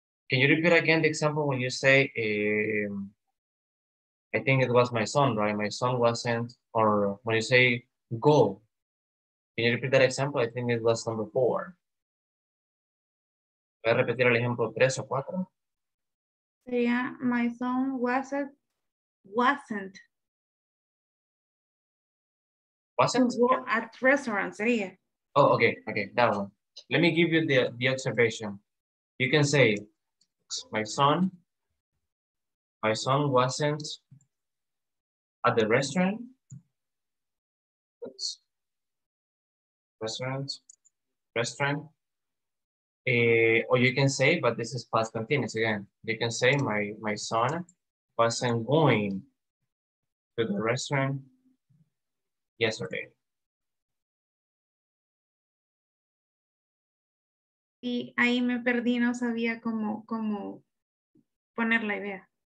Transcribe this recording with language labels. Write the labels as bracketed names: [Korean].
[English] Can you repeat again the example when you say, I think it was my son, right? My son wasn't, or when you say go, can you repeat that example? I think it was number four. [Spanish] ¿Voy a repetir el ejemplo tres o cuatro? [English] Yeah, my son wasn't. Wasn't? To go at restaurants, yeah. Oh, okay, that one. Let me give you the observation. You can say, my son wasn't at the restaurant. Oops. Restaurant. Or you can say, but this is past continuous again. You can say my son wasn't going to the restaurant yesterday. [Spanish] Y ahí me perdí, no sabía cómo poner la idea.